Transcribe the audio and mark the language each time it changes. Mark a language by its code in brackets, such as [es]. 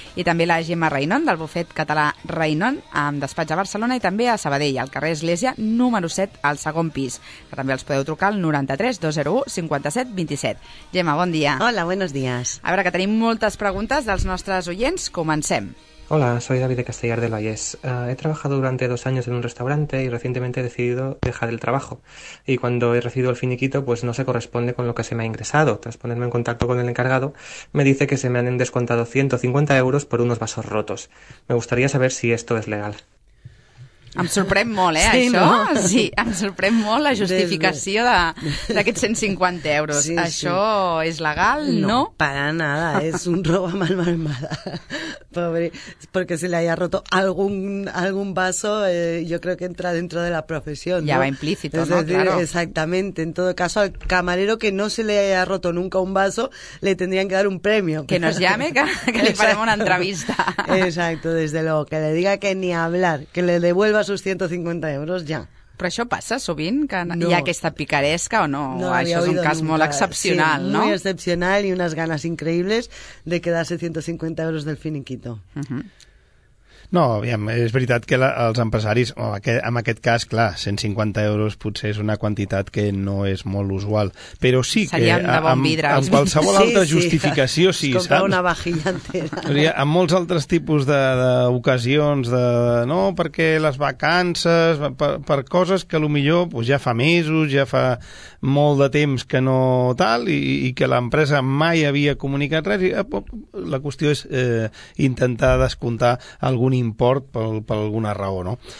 [ca] I també la Gemma Reynon, del bufet català Reynon, amb despatx a Barcelona i també a Sabadell, al carrer Església, número 7, al segon pis. També els podeu trucar al 93 201 57 27. Gemma, bon dia. [es] Hola, buenos días. [ca] A veure, que tenim moltes preguntes dels nostres oients. Comencem. [es] Hola, soy David de Castellar de Vallès. He trabajado durante 2 años en un restaurante y recientemente he decidido dejar el trabajo. Y cuando he recibido el finiquito, pues no se corresponde con lo que se me ha ingresado. Tras ponerme en contacto con el encargado, me dice que se me han descontado 150 euros por unos vasos rotos. Me gustaría saber si esto es legal. [ca] Em sorprèn molt, sí, això. No? Sí, em sorprèn molt la justificació d'aquests 150 euros. Sí, això sí. És legal, no? [es] No, para nada, es un robo a mano armada. Pobre, porque se le haya roto algún vaso, yo creo que entra dentro de la profesión. Ya ¿no? va implícito, es ¿no? decir, claro. Exactamente, en todo caso, al camarero que no se le haya roto nunca un vaso, le tendrían que dar un premio. Que nos llame, que le paremos una entrevista. Exacto, desde luego, que le diga que ni hablar, que le devuelva a sus 150 euros, ja. [ca] Però això passa sovint, que hi ha aquesta picaresca o no? No, això és un cas molt excepcional, sí, no? [es] Muy excepcional y unas ganas increíbles de quedarse 150 euros del finiquito. [ca] No, aviam, és veritat que els empresaris, en aquest cas, clar, 150 euros potser és una quantitat que no és molt usual, però sí seríem que amb qualsevol altra justificació, sí, saps? [es] Comprar una vajilla entera. [ca] Amb molts altres tipus d'ocasions, no, perquè les vacances, per coses que potser pues, ja fa mesos, ja fa molt de temps que no tal, i que l'empresa mai havia comunicat res, la qüestió és intentar descomptar algun import per alguna raó, no?